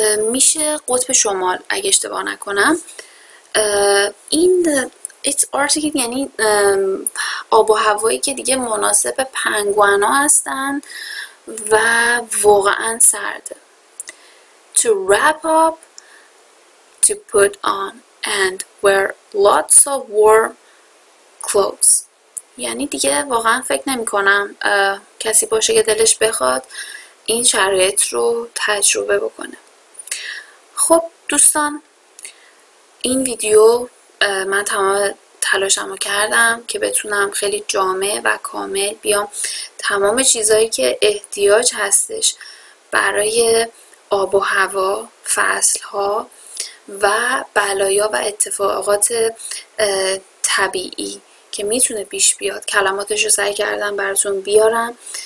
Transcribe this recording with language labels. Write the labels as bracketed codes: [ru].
[fa] میشه قطب شمال اگه اشتباه نکنم. این [en] It's architect [fa] یعنی آب و هوایی که دیگه مناسب پنگوان ها هستن و واقعا سرده. [en] To wrap up, to put on and wear lots of warm clothes. [fa] یعنی دیگه واقعا فکر نمی کنم کسی باشه که دلش بخواد این شرایط رو تجربه بکنه. خب دوستان، این ویدیو من تمام تلاشم رو کردم که بتونم خیلی جامع و کامل بیام تمام چیزهایی که احتیاج هستش برای آب و هوا، فصلها و بلایا و اتفاقات طبیعی که میتونه پیش بیاد، کلماتش رو سعی کردم براتون بیارم.